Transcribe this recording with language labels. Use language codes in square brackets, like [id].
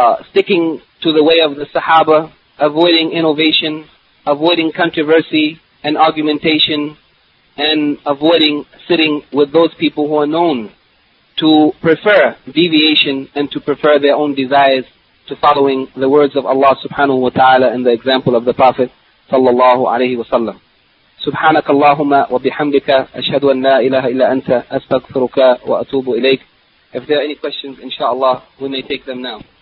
[en] sticking to the way of the Sahaba, avoiding innovation, avoiding controversy and argumentation, and avoiding sitting with those people who are known to prefer deviation and to prefer their own desires to following the words of Allah subhanahu wa ta'ala and the example of the Prophet sallallahu alayhi wa sallam. [ar] سبحانك اللهم وبحمدك أشهد أن لا إله إلا أنت أستغفرك وأتوب إليك. [en] If there are any questions, inshallah, we may take them now.